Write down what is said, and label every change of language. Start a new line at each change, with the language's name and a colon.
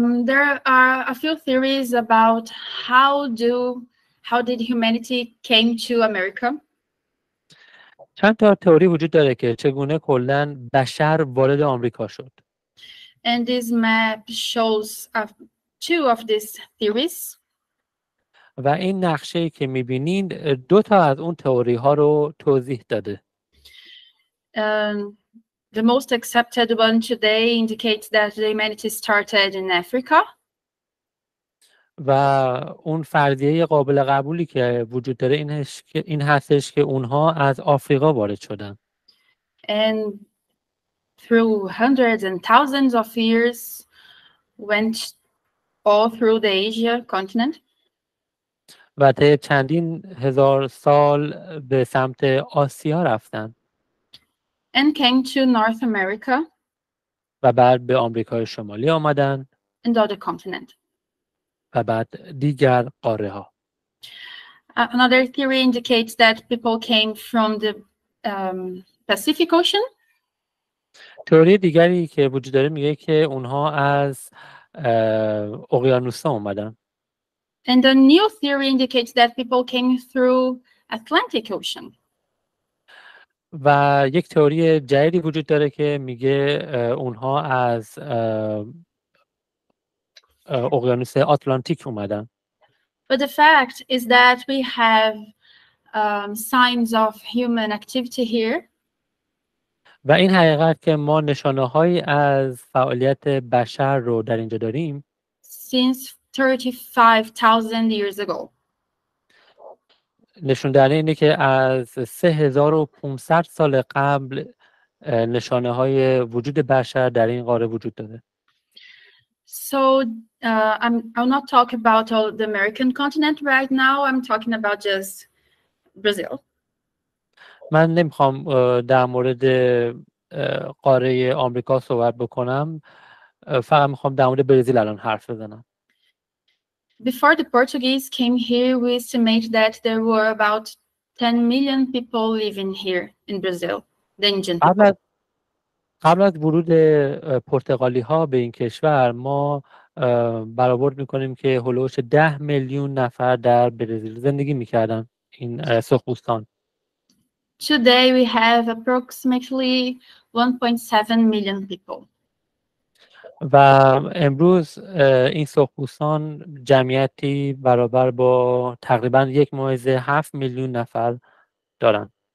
English: There are a few theories about how did humanity came to America.
Persian: چند تا تئوری وجود داره که چگونه کلاً بشر وارد آمریکا شد.
English: And this map shows two of these theories.
Persian: و این نقشه‌ای که می‌بینید دو تا از اون تئوری‌ها رو توضیح داده.
English: The most accepted one today indicates that the humanity started in Africa.
Persian: و اون فرضیه قابل قبولی که وجود داره این هستش که اونها از آفریقا وارد شدن.
English: And through hundreds and thousands of years went all through the Asia continent.
Persian: و تا چندین هزار سال به سمت آسیا رفتن.
English: And came to North America.
Persian: و بعد به آمریکای شمالی آمدن.
English: And other continent.
Persian: و بعد دیگر قاره ها.
English: Another theory indicates that people came from the Pacific Ocean.
Persian: تئوری دیگری که وجود داره میگه که اونها از اقیانوس ها اومدن.
English: And a new theory indicates that people came through Atlantic Ocean.
Persian: و یک تئوری جدیدی وجود داره که میگه اونها از اقیانوس آتلانتیک اومدن.
English: But the fact is that we have signs of human activity here.
Persian: و این حقیقت که ما نشانه‌هایی از فعالیت بشر رو در اینجا داریم.
English: Since 35,000 years ago.
Persian: نشون دهنده اینه که از 3500 سال قبل نشانه های وجود بشر در این قاره وجود داره.
English: So I'm not talking about all the American continent right now. I'm talking about just Brazil.
Persian: من نمیخوام در مورد قاره آمریکا صحبت بکنم. فقط میخوام در مورد برزیل الان حرف بزنم.
English: Before the Portuguese came here, we estimate that there were about 10 million people living here in Brazil, the indigenous people.
Persian: قبل از ورود پرتغالی ها به این کشور ما برآورد میکنیم که هلوش 10 میلیون نفر در برزیل زندگی میکردن این سخبوستان.
English: Today we have approximately 1.7 million people.
Persian: و امروز این سخبوستان جمعیتی برابر با تقریبا 1.7 میلیون نفر دارند.